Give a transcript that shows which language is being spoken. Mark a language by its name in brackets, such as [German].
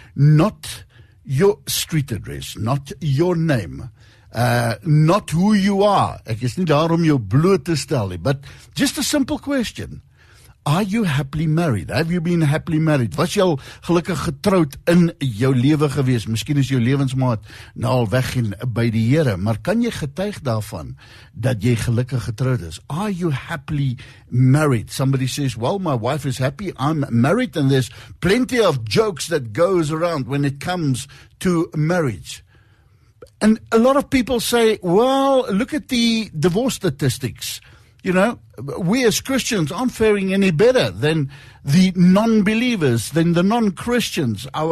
[English] Not your street address, not your name. Not who you are. [Afrikaans] Ek is nie daar om jou bloot te stel nie, [English] but just a simple question. Are you happily married? Have you been happily married? [Afrikaans] Was jy al gelukkig getroud in jou lewe gewees? Miskien is jou lewensmaat nou al weg en by die Here, maar kan jy getuig daarvan dat jy gelukkig getroud is? [English] Are you happily married? Somebody says, well, my wife is happy, I'm married, and there's plenty of jokes that goes around when it comes to marriage. And a lot of people say, well, look at the divorce statistics. You know, we as Christians aren't faring any better than the non-believers, than the non-Christians.